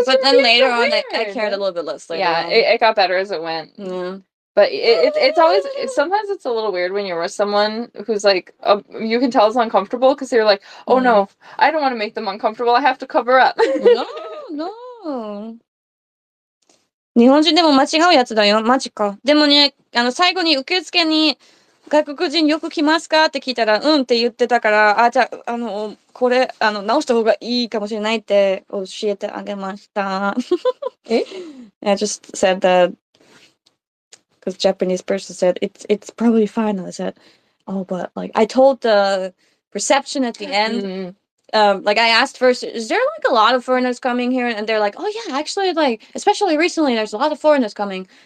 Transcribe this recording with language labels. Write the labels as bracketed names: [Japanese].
[English] But then later so on, I cared a little bit less. Later yeah, on. It got better as it went. Mm. But sometimes it's a little weird when you're with someone who's like, you can tell it's uncomfortable because they're like, oh no, I don't want to make them uncomfortable. I have to cover up. No. [Japanese] 日本人でも間違うやつだよ。マジか。でもね、あの、最後に受付に、外国人よく来ますかって聞いたら、うんって言ってたから、あ、じゃあ、あの、これ、あの、直した方がいいかもしれないって教えてあげました。え？ [English] I just said that, because Japanese person said, it's probably fine. And I said, oh, but like, I told the reception at the end, like, I asked first, is there like a lot of foreigners coming here? And they're like, oh yeah, actually, like, especially recently, there's a lot of foreigners coming.